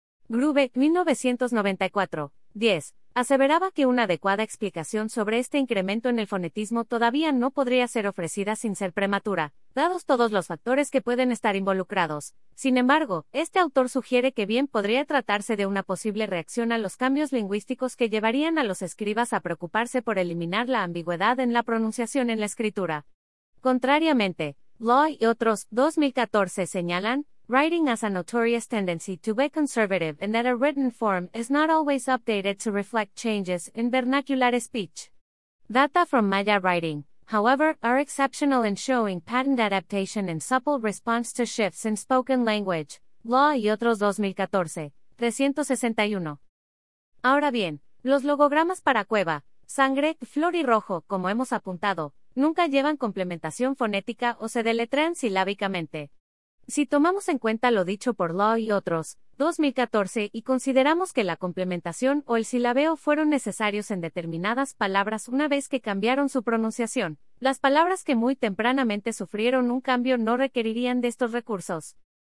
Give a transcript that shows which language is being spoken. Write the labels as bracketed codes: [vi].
[es] Grube, 1994, 10, aseveraba que una adecuada explicación sobre este incremento en el fonetismo todavía no podría ser ofrecida sin ser prematura, dados todos los factores que pueden estar involucrados. Sin embargo, este autor sugiere que bien podría tratarse de una posible reacción a los cambios lingüísticos que llevarían a los escribas a preocuparse por eliminar la ambigüedad en la pronunciación en la escritura. Contrariamente, Loy y otros, 2014, señalan, [en] "Writing has a notorious tendency to be conservative and that a written form is not always updated to reflect changes in vernacular speech. Data from Maya writing, however, are exceptional in showing patterned adaptation and supple response to shifts in spoken language." [es] Law y otros 2014, 361. Ahora bien, los logogramas para cueva, sangre, flor y rojo, como hemos apuntado, nunca llevan complementación fonética o se deletrean silábicamente. Si tomamos en cuenta lo dicho por Law y otros, 2014, y consideramos que la complementación o el silabeo fueron necesarios en determinadas palabras una vez que cambiaron su pronunciación, las palabras que muy tempranamente sufrieron un cambio no requerirían de estos recursos.